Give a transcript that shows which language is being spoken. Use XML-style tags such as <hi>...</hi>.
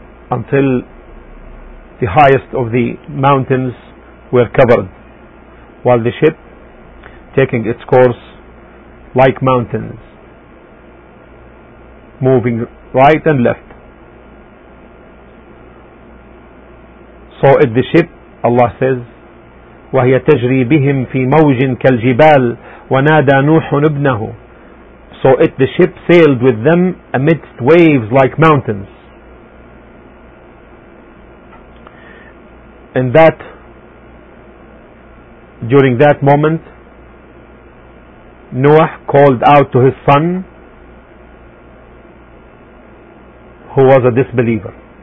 <en>until the highest of the mountains were covered, while the ship taking its course like mountains, moving right and left. So at the ship, Allah says,</en> <ar>وَهِيَ تَجْرِي بِهِمْ فِي مَوْجٍ كَالْجِبَالِ وَنَادَى نُوحٌ ابْنَهُ.</ar> <en>So at the ship sailed with them amidst waves like mountains. And that, during that moment, Noah called out to his son, who was a disbeliever.</en>